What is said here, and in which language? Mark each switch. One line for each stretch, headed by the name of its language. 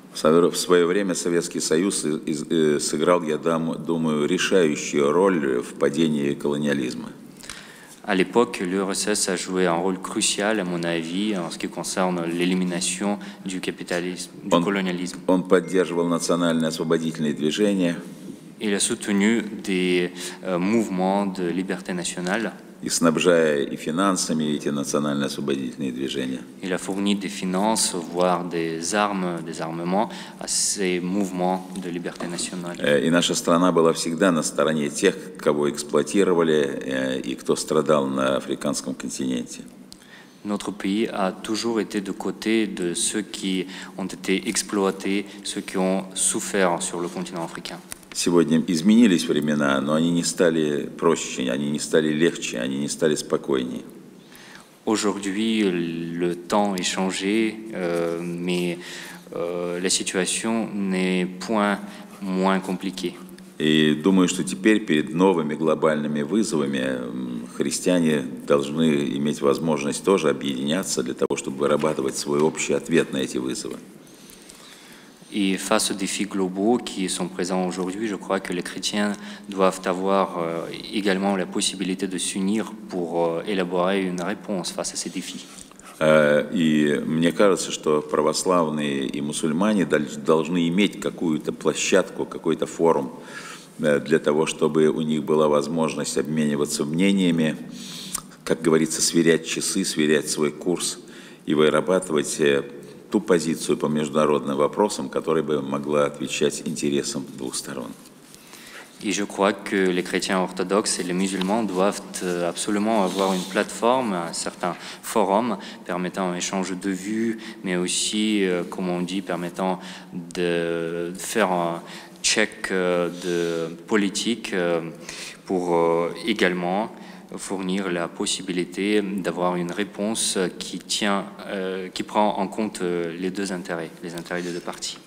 Russian: В свое время Советский Союз сыграл, я думаю, решающую роль в падении колониализма.
French: À l'époque, l'URSS a joué un rôle crucial, à mon avis, en ce qui concerne l'élimination du capitalisme, du colonialisme.
Russian: Он поддерживал национальные освободительные движения.
French: Il a soutenu des mouvements de liberté nationale.
Russian: И снабжая и финансами эти национальные освободительные движения.
French: Il a fourni des finances, voire des armes, des armements à ces mouvements de liberté nationale.
Russian: И наша страна была всегда на стороне тех, кого эксплуатировали и кто страдал на африканском континенте.
French: Notre pays a toujours été de côté de ceux qui ont été exploités, ceux qui ont souffert sur le continent africain.
Russian: Сегодня изменились времена, но они не стали проще, они не стали легче, они не стали спокойнее.
French: Aujourd'hui, le temps est changé, mais la situation n'est point moins compliquée.
Russian: И думаю, что теперь перед новыми глобальными вызовами христиане должны иметь возможность тоже объединяться для того, чтобы вырабатывать свой общий ответ на эти вызовы.
French: Et face aux défis globaux qui sont présents aujourd'hui, je crois que les chrétiens doivent avoir également la possibilité de s'unir pour élaborer une réponse face à ces défis.
Russian: И мне кажется, что православные и мусульмане должны иметь какую-то площадку, какой-то форум для того, чтобы у них была возможность обмениваться мнениями, как говорится, сверять часы, сверять свой курс и вырабатывать ту позицию по международным вопросам, которая бы могла отвечать интересам двух сторон. И
French: je crois que les chrétiens orthodoxes et les musulmans doivent absolument avoir une plateforme, un certain forum permettant un échange de vues, mais aussi, comme on dit, permettant de faire un check de politique pour également fournir la possibilité d'avoir une réponse qui tient, qui prend en compte les deux intérêts, les intérêts des deux parties.